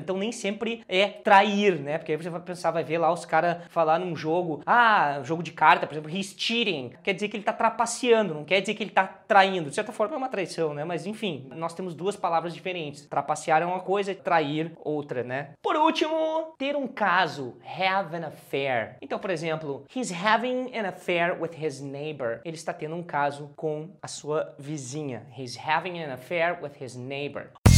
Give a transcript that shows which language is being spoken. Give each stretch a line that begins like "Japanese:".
Portuguese: Então nem sempre é trair, né? Porque aí você vai pensar, vai ver lá os caras falar num jogo, ah, jogo de carta, por exemplo,
English: he's cheating,
Portuguese: quer dizer que ele tá trapaceando, não quer dizer que ele tá traindo. De certa forma é uma traição, né? Mas enfim, nós temos duas palavras diferentes. Trapacear é uma coisa e trair outra, né? Por último, ter um caso,
English: have an affair.
Portuguese: Então, por exemplo,
English: he's having an affair with his neighbor.
Portuguese: Ele está tendo um caso com a sua vizinha.
English: He's having an affair with his neighbor.